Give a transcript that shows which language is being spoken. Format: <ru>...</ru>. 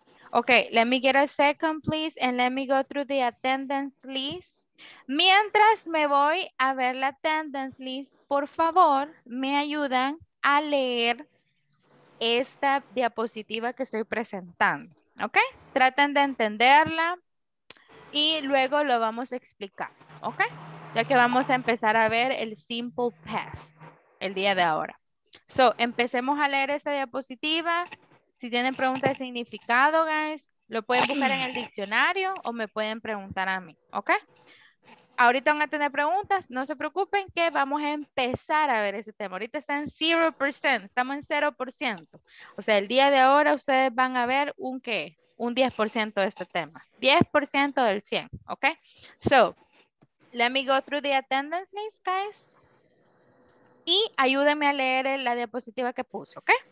<en>Ok, let me get a second, please, and let me go through the attendance list.</en> <es>Mientras me voy a ver la attendance list, por favor, me ayudan a leer esta diapositiva que estoy presentando. ¿Ok? Traten de entenderla y luego lo vamos a explicar, ¿ok? Ya que vamos a empezar a ver el simple past el día de ahora. So, empecemos a leer esta diapositiva. Si tienen preguntas de significado, guys, lo pueden buscar en el diccionario o me pueden preguntar a mí, ¿ok? Ahorita van a tener preguntas, no se preocupen que vamos a empezar a ver ese tema. Ahorita está en 0%, estamos en 0%. O sea, el día de ahora ustedes van a ver un qué, un 10% de este tema. 10% del 100, ¿ok?</es> <en>So, let me go through the attendance list, guys.</en> <es>Y ayúdenme a leer la diapositiva que puso, ¿ok?</es>